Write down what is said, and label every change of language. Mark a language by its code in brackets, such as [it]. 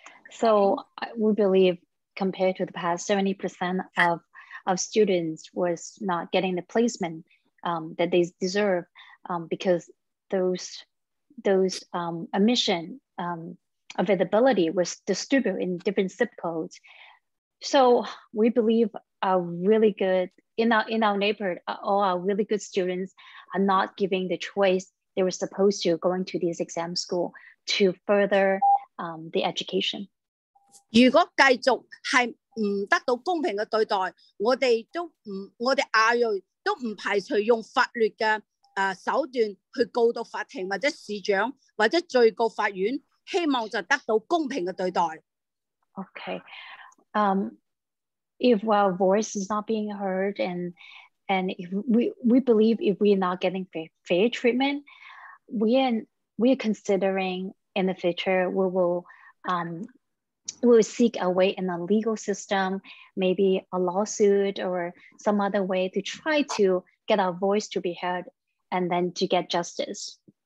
[en] So we believe compared to the past, 70% of students was not getting the placement that they deserve because those admission availability was distributed in different zip codes. So we believe are really good in our neighborhood, all our really good students are not giving the choice they were supposed to going to this exam school to further the education. [yue] 如果繼續係唔得到公平嘅對待，我哋亞裔都唔排除用法律嘅手段去告到法庭或者市長或者最高法院，希望就得到公平嘅對待。 [en] Okay, if our voice is not being heard and if we believe if we are not getting fair treatment, we are considering in the future we will will seek a way in the legal system, maybe a lawsuit or some other way to try to get our voice to be heard and then to get justice.